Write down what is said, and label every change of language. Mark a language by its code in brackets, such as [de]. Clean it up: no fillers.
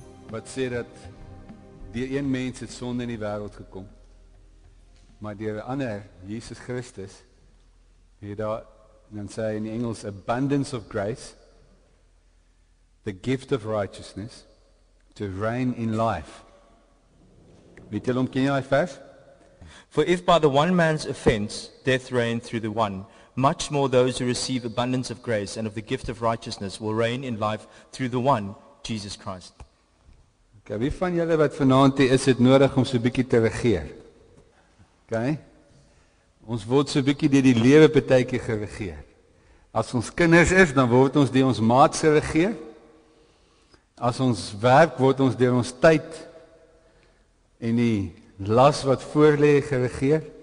[af] Wat sê dat deur een mens het sonde in die wêreld gekom, maar deur 'n ander, Jesus Christus, het daar, dan sê hy in die Engels, [en] abundance of grace, the gift of righteousness, to reign in life. [af] Weet julle hom, ken julle die vers? [en] For if by the one man's offense death reigned through the one, much more those who receive abundance of grace and of the gift of righteousness will reign in life through the one, Jesus Christ. [af] Okay, wie van julle wat vanaand hier is, het nodig om so 'n bietjie te regeer? Okay? Ons word so 'n bietjie deur die lewe partytjie geregeer. As ons kinders is, dan word ons deur ons maats geregeer. As ons werk, word ons deur ons tyd en die las wat voorlê geregeer.